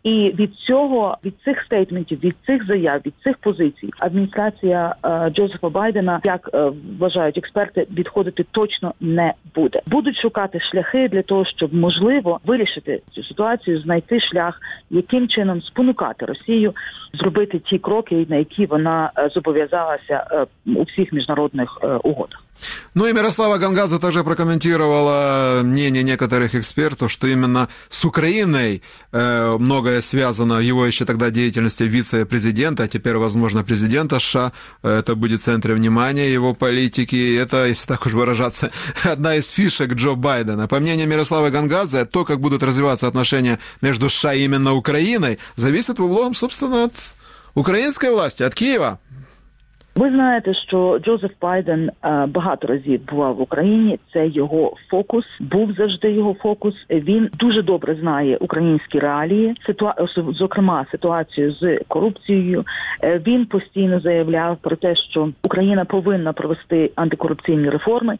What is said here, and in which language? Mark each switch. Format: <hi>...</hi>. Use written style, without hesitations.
<uk>І від цих стейтментів, від цих заяв, від цих позицій адміністрація Джозефа Байдена, як вважають експерти, відходити точно не буде. Будуть шукати шляхи для того, щоб, можливо, вирішити цю ситуацію, знайти шлях, яким чином спонукати Росію зробити ті кроки, на які вона зобов'язалася у всіх міжнародних угодах.</uk> <ru>Ну и Мирослава Гангадзе также прокомментировала мнение некоторых экспертов, что именно с Украиной многое связано в его еще тогда деятельности вице-президента, а теперь, возможно, президента США. Это будет в центре внимания его политики. Это, если так уж выражаться, одна из фишек Джо Байдена. По мнению Мирославы Гангадзе, то, как будут развиваться отношения между США и именно Украиной, зависит во многом, собственно, от украинской власти, от Києва.</ru> <uk>Ви знаєте, що Джозеф Байден багато разів бував в Україні, це його фокус, був завжди його фокус. Він дуже добре знає українські реалії, зокрема ситуацію з корупцією. Він постійно заявляв про те, що Україна повинна провести антикорупційні реформи.</uk>